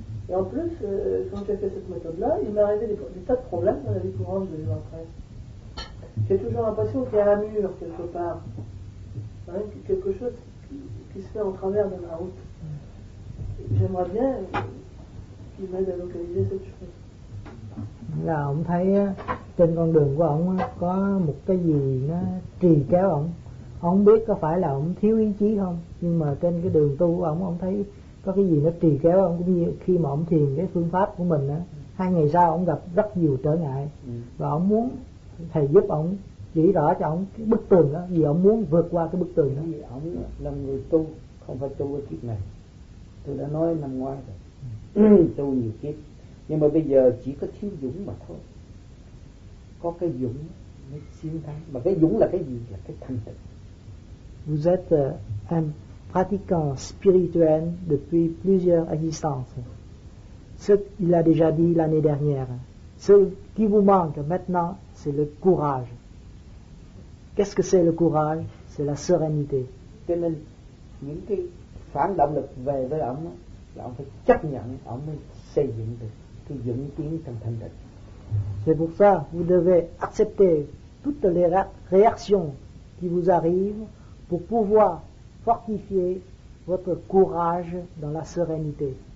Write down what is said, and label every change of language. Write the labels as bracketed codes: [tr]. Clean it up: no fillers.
[fr] Et en plus, quand j'ai fait cette méthode-là, il m'est arrivé des tas de problèmes dans la vie courante de l'heure après. J'ai toujours l'impression qu'il y a un mur quelque part, hein, quelque chose qui se fait en travers de ma route. J'aimerais bien qu'il m'aide à localiser cette chose. [vi] Là ông thấy trên con đường của ông có một cái gì nó trì kéo ông. Ông biết có phải là ông thiếu ý chí không, nhưng mà trên cái đường tu của ông thấy có cái gì nó trì kéo ông. Cũng như khi mà ông thiền cái phương pháp của mình, hai ngày sau ông gặp rất nhiều trở ngại. Và ông muốn thầy giúp ông chỉ rõ cho ông cái bức tường đó, vì ông muốn vượt qua cái bức tường đó. Ông là người tu, không phải tu cái kiếp này. Tôi đã nói năm ngoái rồi, tu nhiều kiếp, nhưng mà bây giờ chỉ có thiếu dũng mà thôi. Có cái dũng mới chiến thắng. Mà cái dũng là cái gì? Là cái thanh tịnh. [fr] Vous êtes un pratiquant spirituel depuis plusieurs existences. Ce qu'il a déjà dit l'année dernière. Ce qui vous manque maintenant, c'est le courage. Qu'est-ce que c'est le courage? C'est la sérénité. [vi] Cho nên những cái phản động lực về với ông là ông phải chấp nhận, ông mới xây dựng được cái dũng tiến trong thanh tịnh. [fr] C'est pour ça que vous devez accepter toutes les réactions qui vous arrivent pour pouvoir fortifier votre courage dans la sérénité.